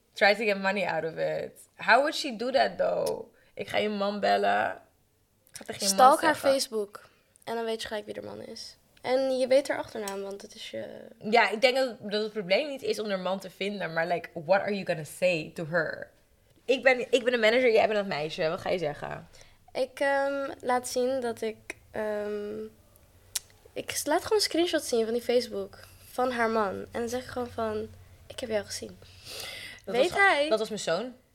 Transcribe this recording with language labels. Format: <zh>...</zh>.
<en>Try to get money out of it. How would she do that, though?</en> <nl>Ik ga je man bellen. Ik ga tegen je man stalk haar Facebook. En dan weet je gelijk wie de man is. En je weet haar achternaam, want het is je... Ja, ik denk dat het probleem niet is om haar man te vinden.</nl> <en>Maar, like, what are you gonna say to her?</en> <nl>Ik ben de manager, jij bent dat meisje. Wat ga je zeggen? Ik laat zien dat ik... ik laat gewoon een screenshot zien van die Facebook. Van haar man. En dan zeg ik gewoon van... Ik heb jou gezien. Dat weet was, hij? Dat was mijn zoon.</nl>